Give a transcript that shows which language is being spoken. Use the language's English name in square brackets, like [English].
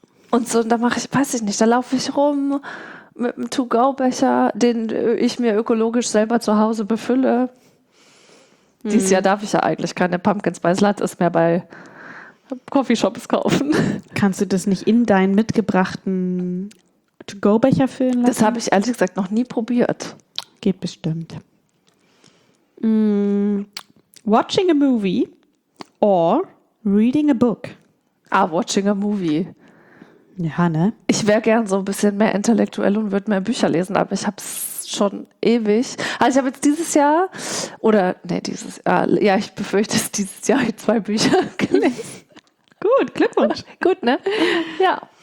[German] Und so, und da mache ich, weiß ich nicht, da laufe ich rum mit einem To-Go-Becher, den ich mir ökologisch selber zu Hause befülle. Dieses Jahr darf ich ja eigentlich keine Pumpkin Spice Lattes mehr bei Coffeeshops kaufen. Kannst du das nicht in deinen mitgebrachten To-Go-Becher füllen lassen? Das habe ich ehrlich gesagt noch nie probiert. Geht bestimmt. [English] Watching a movie or reading a book? Ah, watching a movie. [German] Ja, ne? Ich wäre gern so ein bisschen mehr intellektuell und würde mehr Bücher lesen, aber ich habe es schon ewig. Also ich habe jetzt dieses Jahr zwei Bücher gelesen. Gut, Glückwunsch. Gut, ne? Ja.